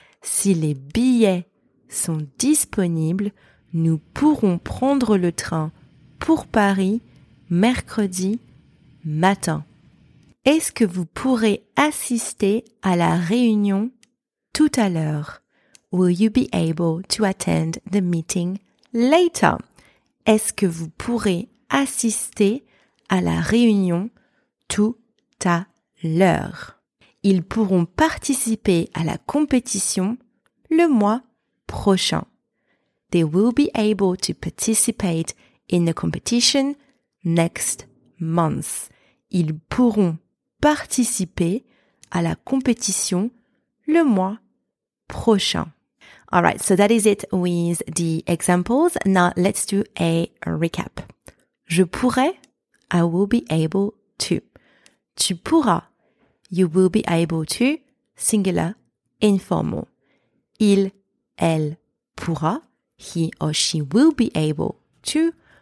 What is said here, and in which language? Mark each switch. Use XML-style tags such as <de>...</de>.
<fr>Si les billets sont disponibles, nous pourrons prendre le train pour Paris mercredi matin. Est-ce que vous pourrez assister à la réunion tout à l'heure?</fr> <en>Will you be able to attend the meeting later?</en> <fr>Est-ce que vous pourrez assister à la réunion tout à l'heure? Ils pourront participer à la compétition le mois prochain.</fr> <en>They will be able to participate in the competition next month.</en> <fr>Ils pourront participer à la compétition le mois prochain.</fr> <en>All right, so that is it with the examples. Now let's do a recap.</en> <fr>Je pourrais,</fr> <en>I will be able to.</en> <fr>Tu pourras,</fr> <en>you will be able to, singular, informal.</en> <fr>Il, elle pourra,</fr> <en>he or she will be able to.</en>